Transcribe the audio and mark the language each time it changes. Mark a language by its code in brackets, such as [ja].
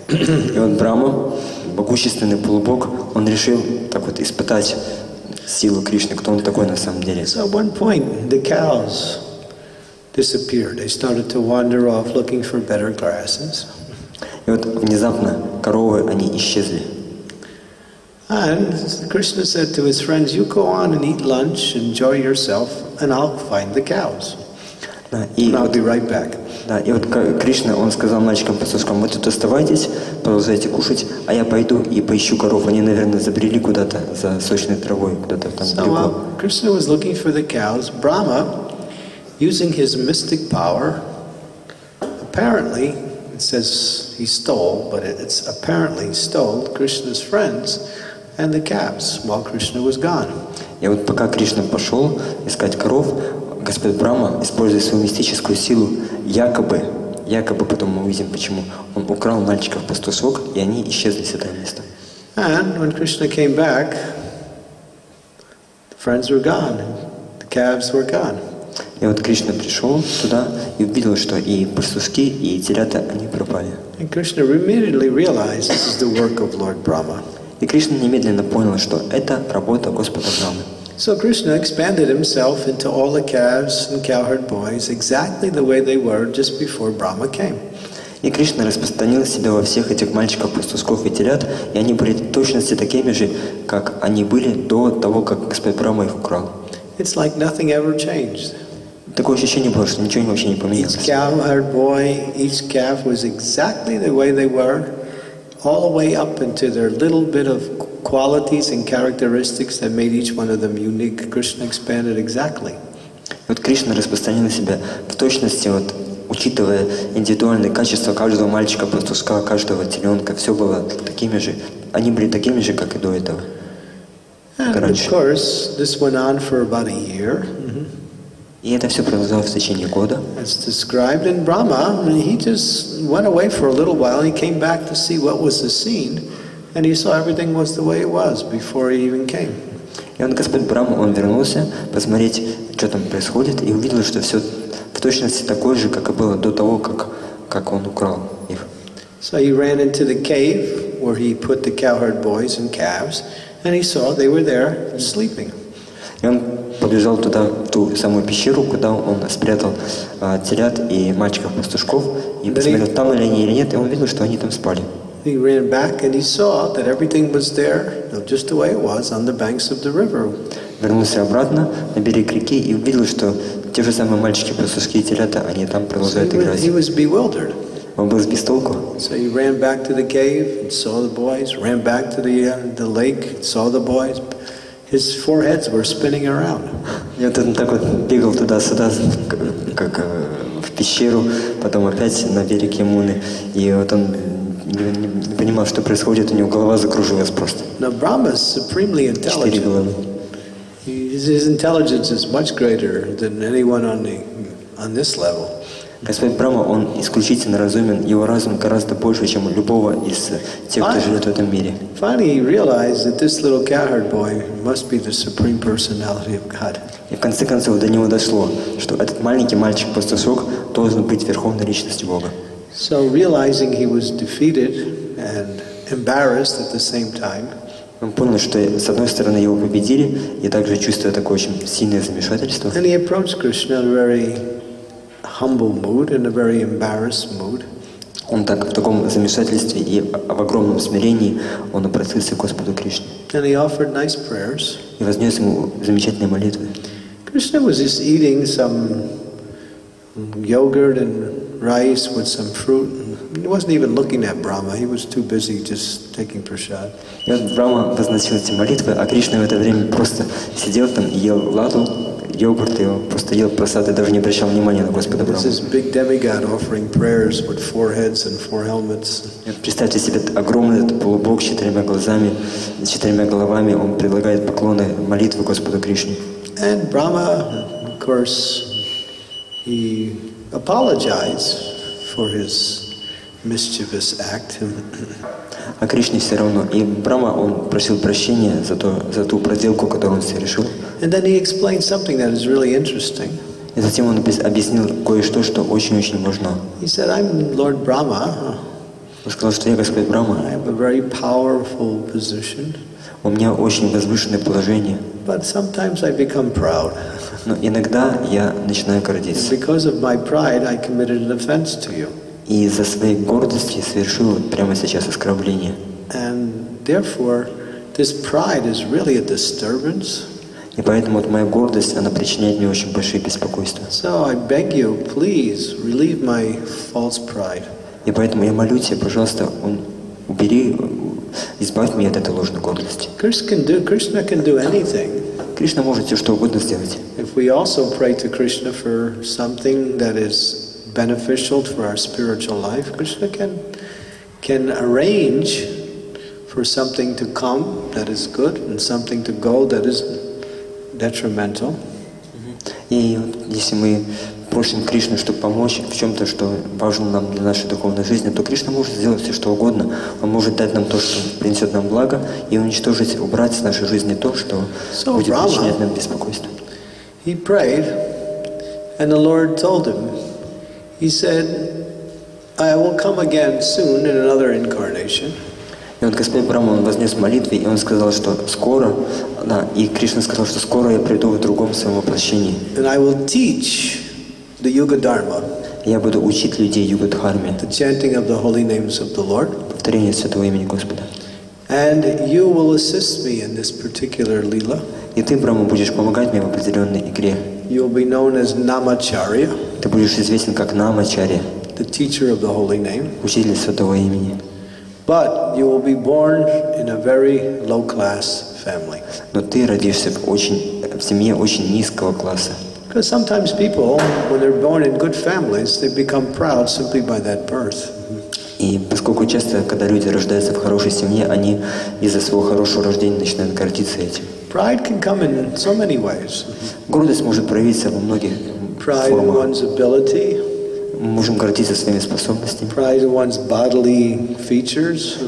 [ru] И вот Брама, могущественный полубог, он решил так вот испытать силу Кришны, кто он такой на самом деле. [en] So at one point, the cows disappeared. They started to wander off looking for better grasses. [ru] И вот внезапно коровы, они исчезли. [en] And Krishna said to his friends, you go on and eat lunch, enjoy yourself, and I'll find the cows. And I'll be right back. [ru] Да, и вот Кришна, он сказал мальчикам-пастушкам, вы тут оставайтесь, продолжайте кушать, а я пойду и поищу коров. Они, наверное, забрели куда-то за сочной травой, куда-то там далеко. [en] So, Krishna was looking for the cows. Brahma, using his mystic power, apparently, it says he stole, but it's apparently stole Krishna's friends and the calves while Krishna was gone. [ru] И вот пока Кришна пошел искать коров, Господь Брама, используя свою мистическую силу, якобы потом мы увидим, почему, он украл мальчиков-пастушок, и они исчезли с этого места. [en] And when Krishna came back, the friends were gone, the calves were gone. [ru] И вот Кришна пришел туда и увидел, что и пастушки, и телята, они пропали. [en] And Krishna immediately realized this is the work of Lord Brahma. [ru] И Кришна немедленно понял, что это работа Господа Брамы. [en] So Krishna expanded himself into all the calves and cowherd boys exactly the way they were just before Brahma came. [ru] И Кришна распространил себя во всех этих мальчиков-пастушков и телят, и они были точно все такими же, как они были до того, как Господь Брама их украл. [en] It's like nothing ever changed. [ru] Такое ощущение было, что ничего вообще не поменялось. [en] Each cow, her boy, each calf was exactly the way they were, all the way up into their little bit of qualities and characteristics that made each one of them unique. Krishna expanded exactly. [ru] Вот Кришна распространил на себя в точности, вот, учитывая индивидуальные качества каждого мальчика, пастушка, каждого теленка, все было такими же. Они были такими же, как и до этого. [en] And of course, this went on for about a year. [ru] И это все продолжалось в течение года. [en] It's described in Brahma, and he just went away for a little while, and he came back to see what was the scene, and he saw everything was the way it was before he even came. [ru] И он, Господь Брама, он вернулся посмотреть, что там происходит, и увидел, что все в точности такое же, как и было до того, как он украл их. [en] So he ran into the cave, where he put the cowherd boys and calves, and he saw they were there sleeping. [ru] И он побежал туда, в ту самую пещеру, куда он спрятал телят и мальчиков-пастушков, и посмотрел, там ли они или нет, и он видел, что они там спали. [en] He ran back and he saw that everything was there, just the way it was, on the banks of the river. [ru] Вернулся обратно на берег реки и увидел, что те же самые мальчики, пастушки и телята, они там продолжают играть. [en] He was bewildered. [ru] Он был без толку. [en] So he ran back to the cave and saw the boys, ran back to the lake and saw the boys. His foreheads were spinning around. [ru] Я тут так вот бегал туда-сюда, как в пещеру, потом опять на берег Ямуны, и вот он не понимал, что происходит, у него голова закружилась просто. [en] Now, Brahma is supremely intelligent. His intelligence is much greater than anyone on this level. [ru] Господь Брама, он исключительно разумен, его разум гораздо больше, чем у любого из тех, кто живет в этом мире. [en] Finally, he realized that this little cowherd boy must be the supreme personality of God. [ru] И в конце концов до него дошло, что этот маленький мальчик-пастушок должен быть верховной личностью Бога. [en] So realizing he was defeated and embarrassed at the same time. [ru] Он понял, что с одной стороны его победили, и также чувствуя такое очень сильное замешательство. [en] And he approached Krishna in a very humble mood, in a very embarrassed mood. [ru] Он так в таком замешательстве и в огромном смирении он обратился к Господу Кришне. [en] And he offered nice prayers. [ru] И вознес ему замечательные молитвы. [en] Krishna was just eating some yogurt and rice with some fruit. He wasn't even looking at Brahma. He was too busy just taking prasad. [ru] Brahma возносил эти молитвы, а Кришна в это время просто сидел там и ел ладу, йогурт, и просто ел прасад и даже не обращал внимания на Господа Брахму. [en] This is big demigod offering prayers with four heads and four helmets. [ru] Представьте себе огромный этот полубог с четырьмя глазами, с четырьмя головами. Он предлагает поклоны, молитвы Господу Кришне. [en] And Brahma, of course, he apologized for his mischievous act. [ru] А Кришне все равно. И Брама, он просил прощения за ту проделку, которую он совершил. [en] And then he explained something that is really interesting. [ru] И затем он объяснил кое-что, что очень-очень важно. [en] He said, "I'm Lord Brahma." [ru] Он сказал, что я Господь Брама. [en] I have a very powerful position. [ru] У меня очень возвышенное положение. [en] But sometimes I become proud. [ru] Но иногда я начинаю гордиться. [en] Because of my pride, I committed an offense to you. [ru] И из-за своей гордости совершил прямо сейчас оскорбление. [en] And therefore, this pride is really a disturbance. [ru] И поэтому вот моя гордость, она причиняет мне очень большие беспокойства. [en] So I beg you, please relieve my false pride. [ru] И поэтому я молю тебя, пожалуйста, убери, избавь меня от этой ложной гордости. [en] Krishna can do anything. [ru] Кришна может все что угодно сделать. [en] If we also pray to Krishna for something that is beneficial for our spiritual life, Krishna can arrange for something to come that is good and something to go that is detrimental. [ru] И если мы просим Кришну, чтобы помочь в чем-то, что важно нам для нашей духовной жизни, то Кришна может сделать все, что угодно. Он может дать нам то, что принесет нам благо, и уничтожить, убрать с нашей жизни то, что будет причинять нам беспокойство. [en] He prayed, and the Lord told him. He said, "I will come again soon in another incarnation." [ru] И вот Господь Брама, он вознес молитвы, и он сказал, что скоро, да, и Кришна сказал, что скоро я приду в другом своем воплощении. [en] And I will teach the Yuga Dharma. [ru] Я буду учить людей Юга Дхарме. [en] The chanting of the holy names of the Lord. [ru] Повторение святого имени Господа. [en] And you will assist me in this particular lila. [ru] И ты, Брама, будешь помогать мне в определенной игре. [en] You'll be known as Namacharya. [ru] Ты будешь известен как Намачарья. [en] The teacher of the holy name. [ru] Учитель святого имени. [en] But you will be born in a very low class family. [ru] Но ты родишься в семье очень низкого класса. [en] Because sometimes people, when they're born in good families, they become proud simply by that birth. [ru] И поскольку часто, когда люди рождаются в хорошей семье, они из-за своего хорошего рождения начинают гордиться этим. [en] Pride can come in so many ways. [ru] Гордость может проявиться во многих [en] Pride [ru] формах. [en] One's ability. [ru] Мы можем гордиться своими способностями. [en] Pride in one's bodily features.